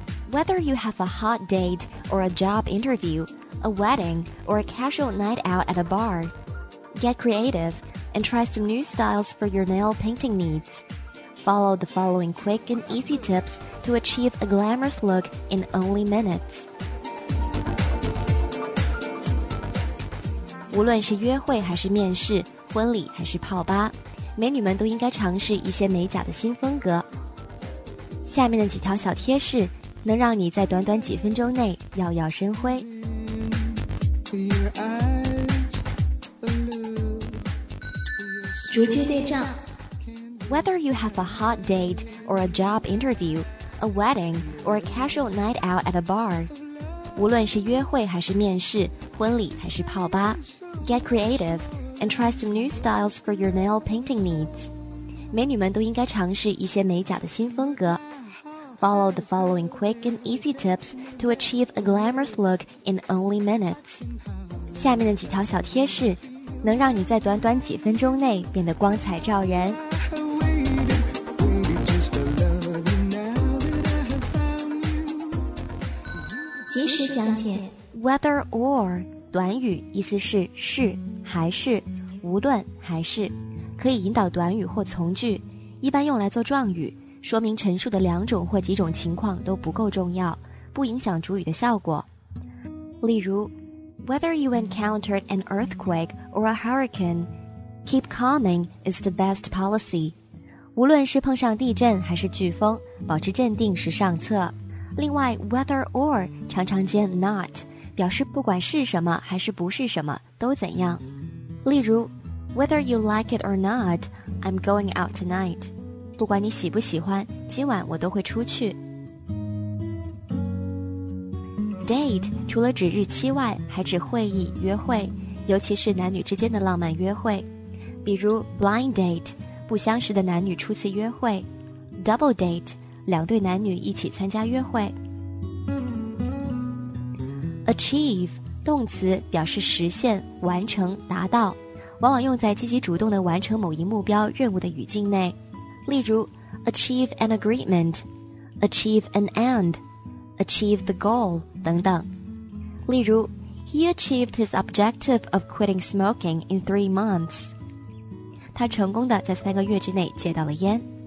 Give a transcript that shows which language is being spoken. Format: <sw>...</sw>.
<en>Whether you have a hot date or a job interview, a wedding or a casual night out at a bar, get creative and try some new styles for your nail painting needs. Follow the following quick and easy tips to achieve a glamorous look in only minutes.</en> <zh>无论是约会还是面试，婚礼还是泡吧，美女们都应该尝试一些美甲的新风格。下面的几条小贴士能让你在短短几分钟内耀耀生辉。逐句对照。</zh> <en>Whether you have a hot date or a job interview, a wedding or a casual night out at a bar，</en> <zh>无论是约会还是面试，婚礼还是泡吧，</zh> <en>Get creative and try some new styles for your nail painting needs.</en> <zh>美女们都应该尝试一些美甲的新风格。</zh> <en>Follow the following quick and easy tips to achieve a glamorous look in only minutes.</en> <zh>下面的几条小贴士能让你在短短几分钟内变得光彩照人。及时讲解</zh> <en>Whether or...</en> <zh>短语意思是是还是，无论还是，可以引导短语或从句，一般用来做状语，说明陈述的两种或几种情况都不够重要，不影响主语的效果。</zh> <en>例如 Whether you encountered an earthquake or a hurricane, keep calming is the best policy.</en> <zh>无论是碰上地震还是飓风，保持镇定是上策。另外 Whether or 常常见 not,表示不管是什么还是不是什么都怎样。</zh> <en>例如 Whether you like it or not, I'm going out tonight.</en> <zh>不管你喜不喜欢，今晚我都会出去。 Date 除了指日期外，还指会议、约会，尤其是男女之间的浪漫约会。比如 Blind date， 不相识的男女初次约会。 Double date， 两对男女一起参加约会。 Achieve 动词表示实现、完成、达到，往往用在积极主动地完成某一目标、任务的语境内。</zh> <en>例如 Achieve an agreement, Achieve an end, Achieve the goal 等等。例如 He achieved his objective of quitting smoking in 3 months.</en> <zh>他成功地在3个月之内戒掉了烟。</zh>